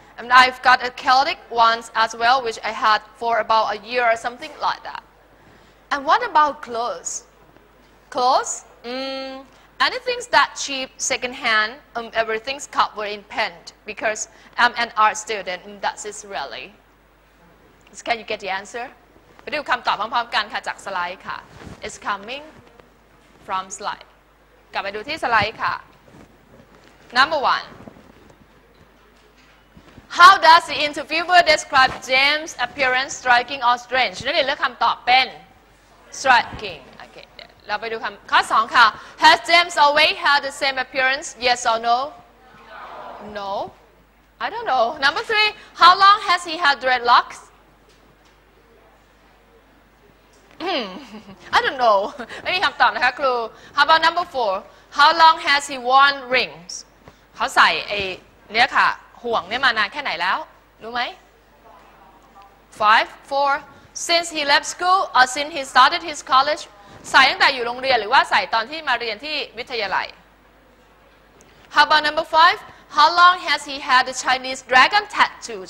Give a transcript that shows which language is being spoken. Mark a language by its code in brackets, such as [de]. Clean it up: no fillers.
[en] And I've got a Celtic one as well, which I had for about a year or something like that. And what about clothes? Clothes? Anything's that cheap, secondhand, everything's covered in paint because I'm an art student, that's it really. Can you get the answer? [th] ไปดูคำตอบพร้อมๆกันค่ะจากสไลด์ค่ะ [en] It's coming from slide. [th] กลับไปดูที่สไลด์ค่ะ [en] Number one. How does the interviewer describe James' appearance striking or strange? [th] นั่นเลยเลือกคำตอบเป็น [en] striking. [th] เราไปดูคำข้อ2ค่ะ [en] Has James always had the same appearance? Yes or no? No. No? I don't know. Number 3. How long has he had dreadlocks? I don't know. [th] ไม่มีคำตอบนะคะครู [en] How about number 4. How long has he worn rings? [th] เขาใส่ไอ้เนี่ยค่ะห่วงเนี่ยมานานแค่ไหนแล้วรู้ไหม 5. 4. [en] Since he left school or since he started his college [th] ใส่ตั้งแต่อยู่โรงเรียนหรือว่าใส่ตอนที่มาเรียนที่วิทยาลัย [en] How about number 5? How long has he had the Chinese dragon tattoo?